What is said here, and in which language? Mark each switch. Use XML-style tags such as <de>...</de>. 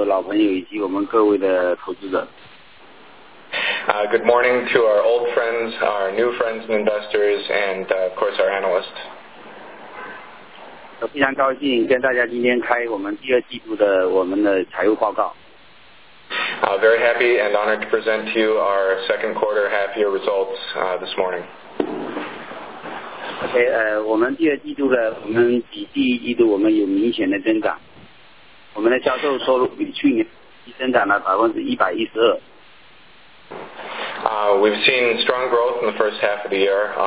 <zh>我们各位我们那个新朋友、老朋友以及我们各位的投资者。</zh> <en>Good morning to our old friends, our new friends and investors, and of course our analysts.</en> <zh>非常高兴跟大家今天开我们第二季度的我们的财务报告。</zh> <en>Very happy and honored to present to you our second quarter half year results this morning.</en> <zh>Okay, 我们第二季度的我们比第一季度我们有明显的增长，我们的销售收入比去年增长了112%。</zh> <en>We've seen strong growth in the first half of the year.</en>